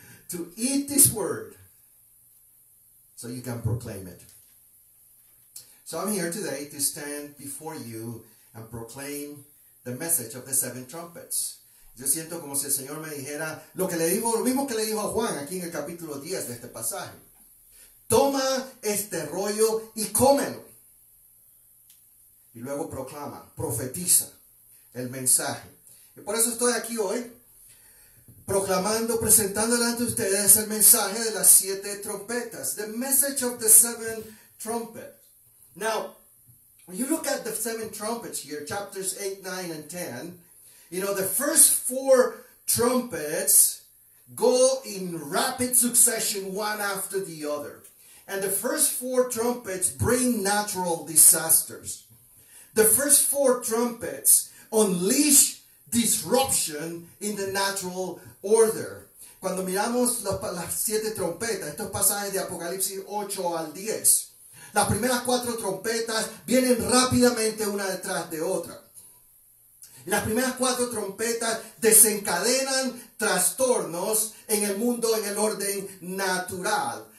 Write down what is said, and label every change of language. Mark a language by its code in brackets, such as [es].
[en] To eat this word so you can proclaim it. So I'm here today to stand before you and proclaim the message of the seven trumpets. [es] Yo siento como si el Señor me dijera lo que le dijo, lo mismo que le dijo a Juan aquí en el capítulo 10 de este pasaje. Toma este rollo y cómelo. Y luego proclama, profetiza el mensaje. Y por eso estoy aquí hoy, proclamando, presentando delante de ustedes el mensaje de las siete trompetas. [en] The message of the seven trumpets. Now, when you look at the seven trumpets here, chapters 8, 9, and 10, you know, the first four trumpets go in rapid succession, one after the other. And the first four trumpets bring natural disasters. The first four trumpets unleash disruption in the natural order. [es] Cuando miramos las siete trompetas, estos pasajes de Apocalipsis 8 al 10, las primeras cuatro trompetas vienen rápidamente una detrás de otra. Las primeras cuatro trompetas desencadenan trastornos en el mundo en el orden natural.